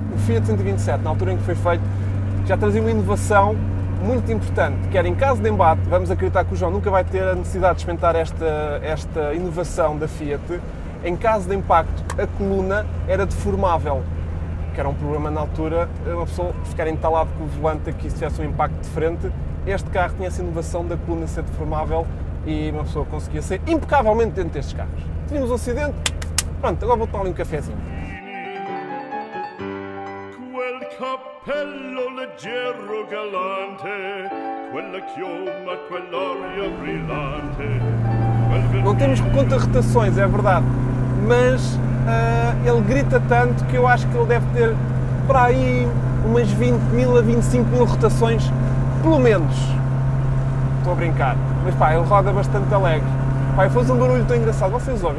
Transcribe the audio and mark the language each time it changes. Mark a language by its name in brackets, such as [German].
[Portuguese] O Fiat 127, na altura em que foi feito, já trazia uma inovação muito importante, que era, em caso de embate, vamos acreditar que o João nunca vai ter a necessidade de experimentar esta inovação da Fiat, em caso de impacto, a coluna era deformável, que era um problema na altura, uma pessoa ficar entalado com o volante aqui se tivesse um impacto de frente. Este carro tinha essa inovação da coluna ser deformável e uma pessoa conseguia ser impecavelmente dentro destes carros. Tínhamos um acidente, pronto, agora vou tomar ali um cafezinho. [Italian] Cappello leggero galante, quella chioma, quell'aria brillante. [Portuguese] Não temos contrarrotações, é verdade, mas ele grita tanto que eu acho que ele deve ter para aí umas 20 mil a 25 mil rotações, pelo menos. Estou a brincar, mas pá, ele roda bastante alegre. Pá, fez um barulho tão engraçado, vocês ouvem?